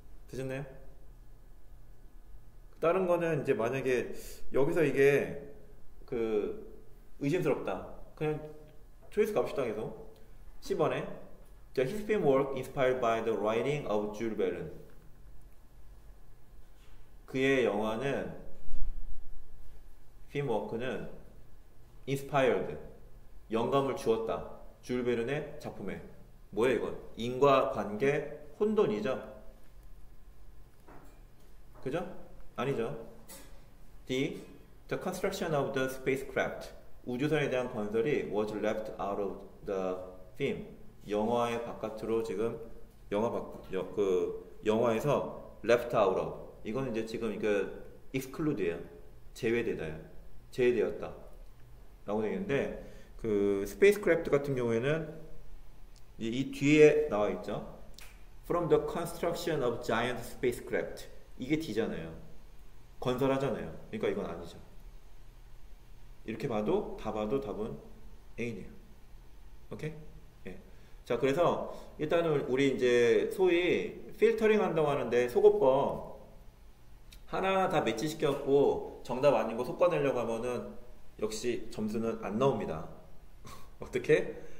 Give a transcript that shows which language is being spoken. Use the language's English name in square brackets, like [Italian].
[Korean] 되셨나요? 다른 거는 이제 만약에 여기서 이게 의심스럽다. 그냥 초이스 갑시다 계속. 10번에. [English] The his fame work inspired by the writing of Jules Verne. [Korean] 그의 영화는 팀워크는 inspired 영감을 주었다. 줄 베르네 작품에 뭐야 이건? 인과관계 혼돈이죠. 그죠? 아니죠. D. [English] The construction of the spacecraft. [Korean] 우주선에 대한 건설이 [English] was left out of the film. [Korean] 영화의 바깥으로 지금 영화 바깥 그 영화에서 [English] left out of. [Korean] 이거는 이제 지금 이거 exclude예요. 제외되다요. 제외되었다. 라고 되는데 그 스페이스크래프트 같은 경우에는 이 뒤에 나와 있죠. [English] From the construction of giant spacecraft. [Korean] 이게 D잖아요. 건설하잖아요. 그러니까 이건 아니죠. 이렇게 봐도 다 봐도 답은 A네요. 오케이? 예. 자, 그래서 일단은 우리 이제 소위 필터링 한다고 하는데 속옷법 하나하나 다 매치시켜갖고 정답 아닌 거 솎아내려고 하면은 역시 점수는 안 나옵니다. 어떻게?